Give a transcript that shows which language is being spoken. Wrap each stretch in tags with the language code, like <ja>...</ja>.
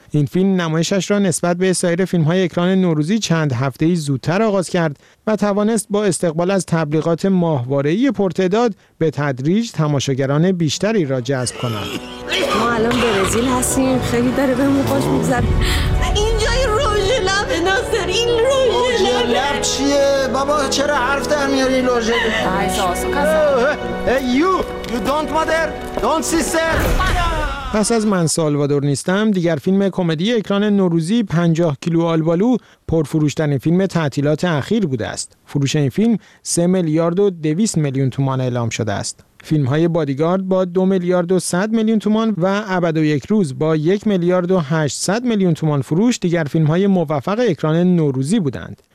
<fa>این فیلم نمایشش را نسبت به سایر فیلم‌های اکران نوروزی چند هفته‌ای زودتر آغاز کرد و توانست با استقبال از تبلیغات ماهواره‌ای پرتعداد به تدریج تماشاگران بیشتری را جذب کند. ما الان برزیل هستیم، خیلی داره به موقعش می‌گذره. اینجای رژ لب ناصر، این رژ لب چیه؟ بابا چرا حرف در میاری لژ؟</fa> <en>You don't mother, don't sister.</en> <fa>پس از من سالوادور نیستم، دیگر فیلم کمدی اکران نوروزی 50 کیلو آلبالو پرفروش‌ترین فیلم تعطیلات اخیر بوده است. فروش این فیلم 3 میلیارد و 200 میلیون تومان اعلام شده است. فیلم‌های بادیگارد با 2 میلیارد و 100 میلیون تومان و ابد و یک روز با 1 میلیارد و 800 میلیون تومان فروش دیگر فیلم‌های موفق اکران نوروزی بودند.</fa>